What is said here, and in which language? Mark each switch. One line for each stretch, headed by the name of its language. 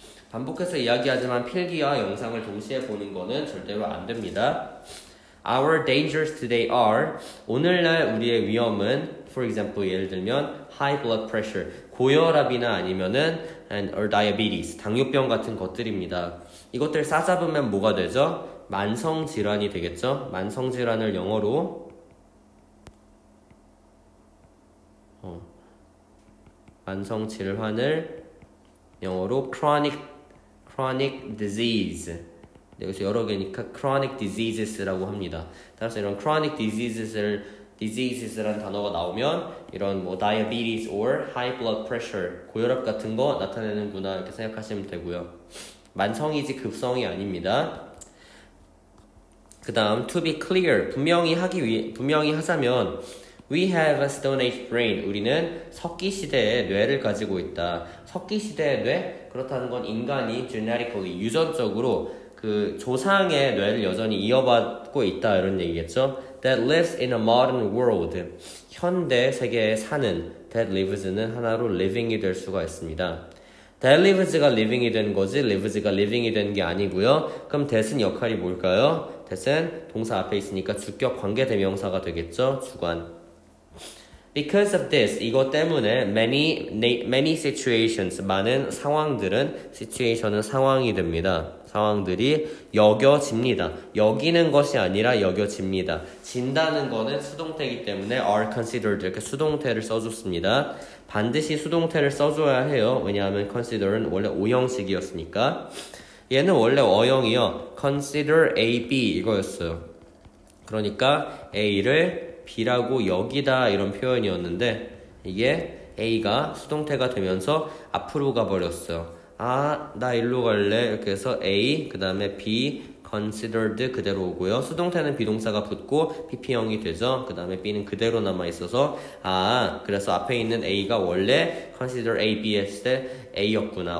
Korean: 반복해서 이야기하지만 필기와 영상을 동시에 보는 거는 절대로 안 됩니다.
English: Our dangers today are
Korean: 오늘날 우리의 위험은
English: for example
Korean: 예를 들면
English: high blood pressure
Korean: 고혈압이나 아니면은
English: and or diabetes
Korean: 당뇨병 같은 것들입니다. 이것들 싸잡으면 뭐가 되죠? 만성질환이 되겠죠? 만성질환을 영어로 만성질환을 영어로 chronic disease. 네, 여기서 여러 개니까 chronic diseases라고 합니다. 따라서 이런 chronic diseases라는 단어가 나오면 이런 뭐 diabetes or high blood pressure 고혈압 같은 거 나타내는구나 이렇게 생각하시면 되고요. 만성이지 급성이 아닙니다. 그 다음
English: to be clear
Korean: 분명히 하자면
English: We have a stone age brain.
Korean: 우리는 석기 시대의 뇌를 가지고 있다. 석기 시대의 뇌? 그렇다는 건 인간이 genetically, 유전적으로 그 조상의 뇌를 여전히 이어받고 있다. 이런 얘기겠죠?
English: That lives in a modern world.
Korean: 현대 세계에 사는 that lives는 하나로 living이 될 수가 있습니다. That lives가 living이 된 거지, lives가 living이 된 게 아니고요. 그럼 that은 역할이 뭘까요? that은 동사 앞에 있으니까 주격 관계대명사가 되겠죠? 주관.
English: Because of this,
Korean: 이거 때문에
English: many situations,
Korean: 많은 상황들은 situation은 상황이 됩니다. 상황들이 여겨집니다. 여기는 것이 아니라 여겨집니다. 진다는 거는 수동태이기 때문에 are considered, 이렇게 수동태를 써줬습니다. 반드시 수동태를 써줘야 해요. 왜냐하면 consider은 원래 오형식이었으니까. 얘는 원래 어형이요. consider A, B 이거였어요. 그러니까 A를 B라고 여기다 이런 표현이었는데 이게 A가 수동태가 되면서 앞으로 가버렸어요. 아, 나 일로 갈래. 이렇게 해서 A, 그 다음에 B, considered 그대로 오고요. 수동태는 비동사가 붙고 PP형이 되죠. 그 다음에 B는 그대로 남아있어서 아, 그래서 앞에 있는 A가 원래 consider A, B 했을 때 A였구나.